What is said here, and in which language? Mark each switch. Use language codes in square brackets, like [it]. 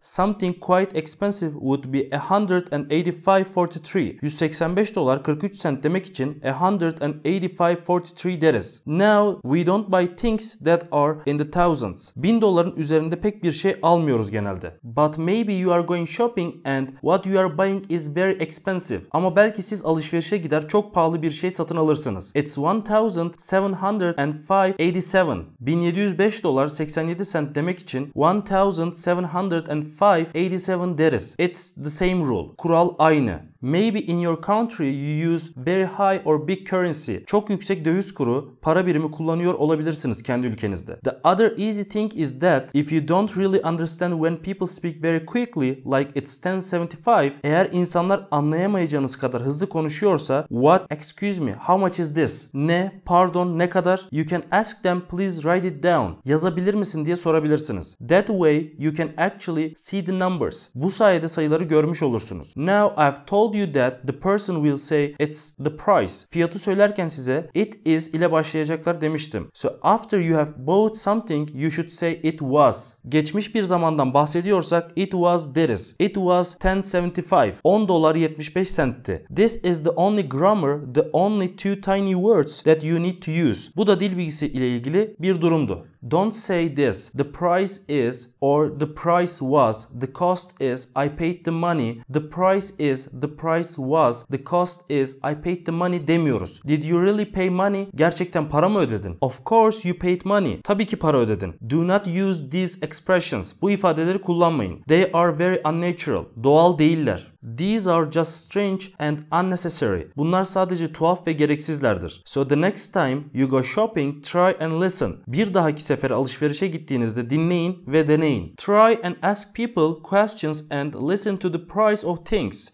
[en] Something quite expensive would be $185.43. [tr] $185.43 demek için $185.43 deriz. [en] Now we don't buy things that are in the thousands. [tr] $1000'ların üzerinde pek bir şey almıyoruz genelde. [en] But maybe you are going shopping and what you are buying is very expensive. [tr] Ama belki siz alışverişe gider çok pahalı bir şey satın alırsınız. [en] It's $1,705.87. [tr] $1,705.87 demek için 1,705.87 deriz. [en] It's the same rule. [tr] Kural aynı. [en] Maybe in your country you use very high or big currency. [tr] Çok yüksek döviz kuru, para birimi kullanıyor olabilirsiniz kendi ülkenizde. [en] The other easy thing is that if you don't really understand when people speak very quickly, like it's 10.75, [tr] eğer insanlar anlayamayacağınız kadar hızlı konuşuyorsa, [en] what, excuse me, how much is this? [tr] Ne, pardon, ne kadar? [en] You can ask them, please write it down. [tr] Yazabilir misin diye sorabilirsiniz. [en] That way you can actually see the numbers. [tr] Bu sayede sayıları görmüş olursunuz. [en] Now I've told you that the person will say it's the price. [tr] Fiyatı söylerken size it is ile başlayacaklar demiştim. [en] So after you have bought something you should say it was. [tr] Geçmiş bir zamandan bahsediyorsak it was deriz. [en] It was 10.75. [tr] $10.75'ti. [en] This is the only grammar, the only two tiny words that you need to use. [tr] Bu da dil bilgisi ile ilgili bir durumdu. [en] Don't say this. The price is, or the price was, the cost is, I paid the money. The price is, the price was, the cost is, I paid the money demiyoruz. Did you really pay money? [tr] Gerçekten para mı ödedin? [en] Of course you paid money. [tr] Tabii ki para ödedin. [en] Do not use these expressions. [tr] Bu ifadeleri kullanmayın. [en] They are very unnatural. [tr] Doğal değiller. [en] These are just strange and unnecessary. [tr] Bunlar sadece tuhaf ve gereksizlerdir. [en] So the next time you go shopping, try and listen. [tr] Bir dahaki sefere alışverişe gittiğinizde dinleyin ve deneyin. [en] Try and ask people questions and listen to the price of things.